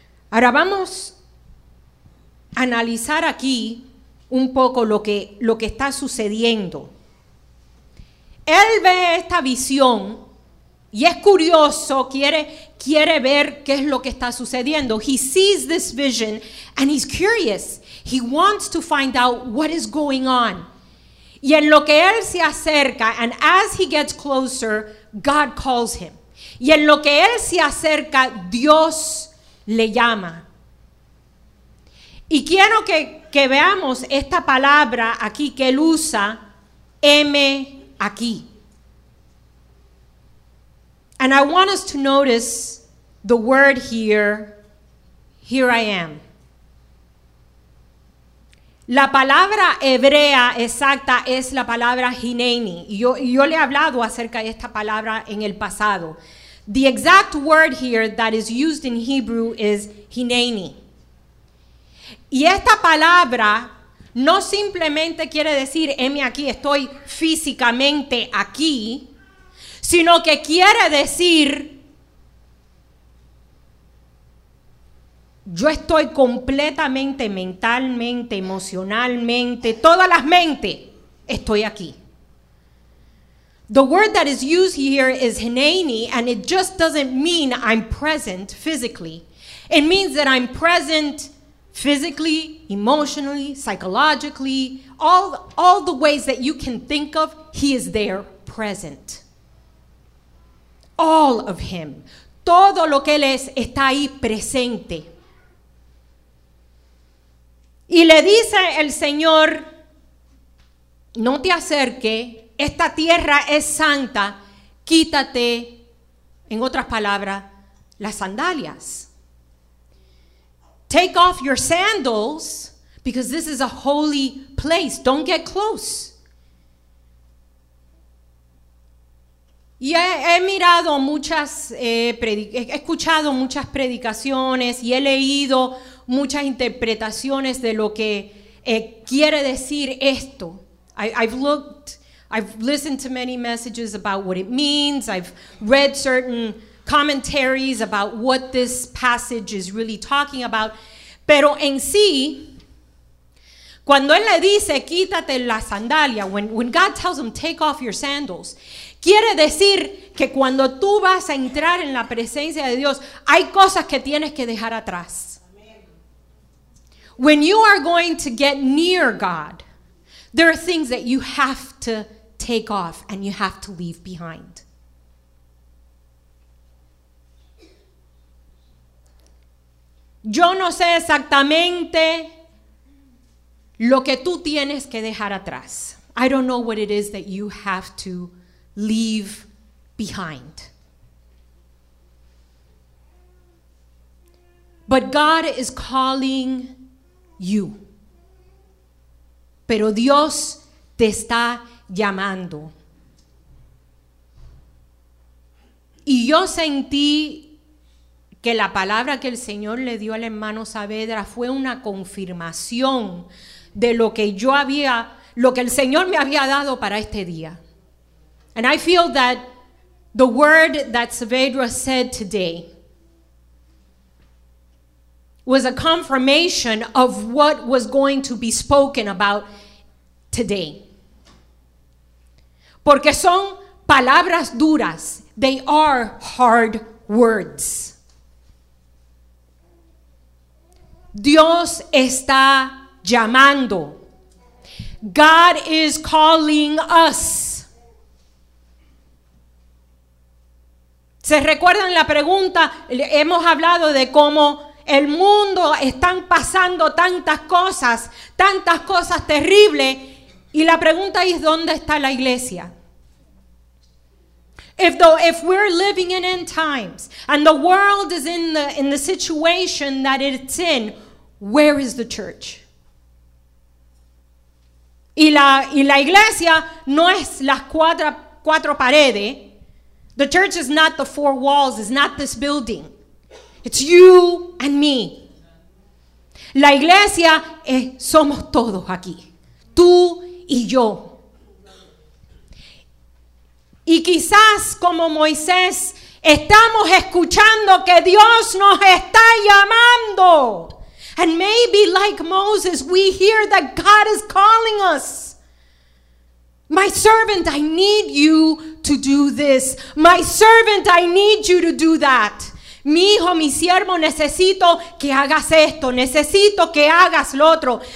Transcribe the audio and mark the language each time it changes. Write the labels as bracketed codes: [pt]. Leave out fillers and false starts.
[es] Ahora vamos a analizar aquí un poco lo que está sucediendo. Él ve esta visión y es curioso, quiere ver qué es lo que está sucediendo. [en] He sees this vision and he's curious. He wants to find out what is going on. [es] Y en lo que él se acerca, [en] and as he gets closer, God calls him. [es] Y en lo que él se acerca, Dios le llama. Y quiero que veamos esta palabra aquí que él usa, heme aquí. [en] And I want us to notice the word here, here I am. [es] La palabra hebrea exacta es la palabra hineni. Yo le he hablado acerca de esta palabra en el pasado. [en] The exact word here that is used in Hebrew is hineni. [es] Y esta palabra no simplemente quiere decir, heme aquí, estoy físicamente aquí, sino que quiere decir, yo estoy completamente, mentalmente, emocionalmente, todas las mentes, estoy aquí. [en] The word that is used here is hineni, and it just doesn't mean I'm present physically. It means that I'm present physically, emotionally, psychologically, all the ways that you can think of, he is there present. All of him. [es] Todo lo que él es está ahí presente. Y le dice el Señor, no te acerque, esta tierra es santa, quítate, en otras palabras, las sandalias. [en] Take off your sandals because this is a holy place. Don't get close. [es] Y he mirado muchas, he escuchado muchas predicaciones y he leído muchas interpretaciones de lo que quiere decir esto. [en] I've listened to many messages about what it means. I've read certain commentaries about what this passage is really talking about. [es] Pero en sí, cuando él le dice, quítate la sandalia, [en] when God tells him, take off your sandals, [es] quiere decir que cuando tú vas a entrar en la presencia de Dios, hay cosas que tienes que dejar atrás. [en] When you are going to get near God, there are things that you have to take off and you have to leave behind. [es] Yo no sé exactamente lo que tú tienes que dejar atrás. [en] I don't know what it is that you have to leave behind. But God is calling you. [es] Pero Dios te está llamando. Y yo sentí que la palabra que el Señor le dio al hermano Saavedra fue una confirmación de lo que yo había, lo que el Señor me había dado para este día. [en] And I feel that the word that Saavedra said today was a confirmation of what was going to be spoken about today. [es] Porque son palabras duras. [en] They are hard words. [es] Dios está llamando. [en] God is calling us. [es] ¿Se recuerdan la pregunta? Hemos hablado de cómo el mundo están pasando tantas cosas terribles. Y la pregunta es, ¿dónde está la iglesia? [en] If we're living in end times and the world is in the situation that it's in, where is the church? [es] Y la iglesia no es las cuatro paredes. [en] The church is not the four walls, it's not this building. It's you and me. [es] La iglesia somos todos aquí. Tú y yo. Y quizás como Moisés, estamos escuchando que Dios nos está llamando. [en] And maybe like Moses, we hear that God is calling us. My servant, I need you to do this. My servant, I need you to do that. [es] Mi hijo, mi siervo, necesito que hagas esto, necesito que hagas lo otro.